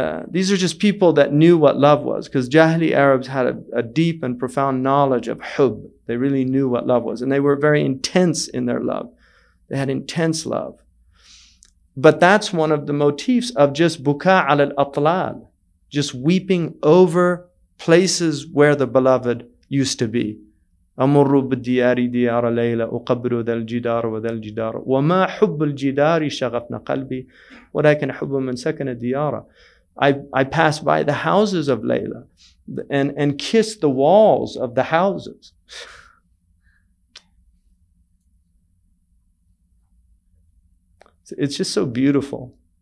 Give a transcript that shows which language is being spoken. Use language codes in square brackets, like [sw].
[en] These are just people that knew what love was, because Jahili Arabs had a deep and profound knowledge of hub. They really knew what love was, and they were very intense in their love. They had intense love. But that's one of the motifs of just buka al al-atlal, just weeping over places where the beloved used to be. [ar] أمر بالديار ديار ليلى أقبر ذا الجدار وذا الجدار وما حب الجدار شغفنا قلبي ولكن حب من سكن الديار. [en] I pass by the houses of Layla and kiss the walls of the houses. It's just so beautiful.